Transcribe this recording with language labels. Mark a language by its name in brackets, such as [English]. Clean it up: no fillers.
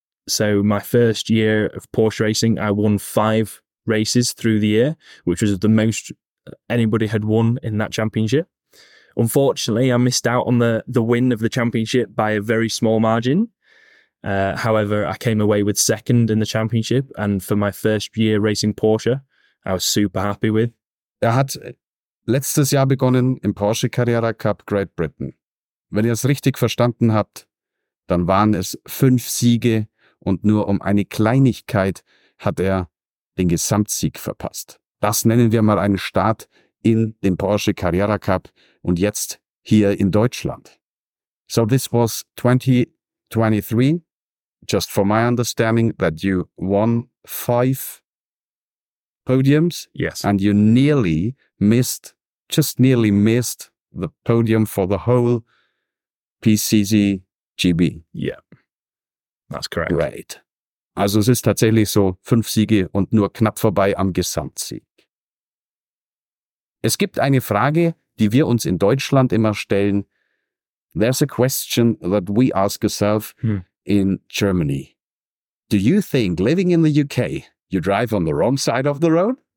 [English] So my first year of Porsche racing, I won 5 races through the year, which was the most anybody had won in that championship. Unfortunately, I missed out on the win of the championship by a very small margin. However, I came away with 2nd in the championship, and for my first year racing Porsche, I was super happy with. [German] Er hat letztes Jahr begonnen im Porsche Carrera Cup Great Britain. Wenn ihr es richtig verstanden habt, dann waren es 5 Siege und nur um eine Kleinigkeit hat er den Gesamtsieg verpasst. Das nennen wir mal einen Start in den Porsche Carrera Cup und jetzt hier in Deutschland. [English] So this was 2023, just for my understanding that you won 5 podiums. Yes. And you nearly missed, just nearly missed the podium for the whole PCC GB. Yeah. That's correct. Great. [German] Also es ist tatsächlich so 5 Siege und nur knapp vorbei am Gesamtsieg. Es gibt eine Frage, die wir uns in Deutschland immer stellen. [English] There's a question that we ask ourselves in Germany. Do you think living in the UK, you drive on the wrong side of the road?